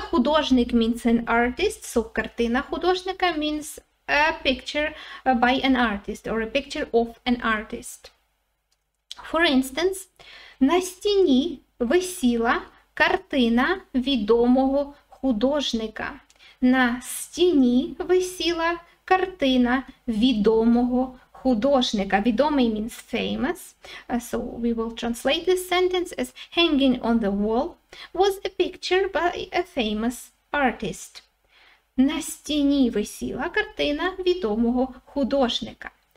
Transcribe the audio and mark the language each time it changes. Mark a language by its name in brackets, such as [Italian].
[English] Художник means an artist, so [Ukrainian] картина художника [English] means a picture by an artist or a picture of an artist. For instance, [Ukrainian] на стіні висіла картина відомого художника. На стіні висіла картина відомого художника. [English] Відомий means famous. So we will translate this sentence as hanging on the wall was a picture by a famous artist. [Ukrainian] На стіні висіла картина відомого художника.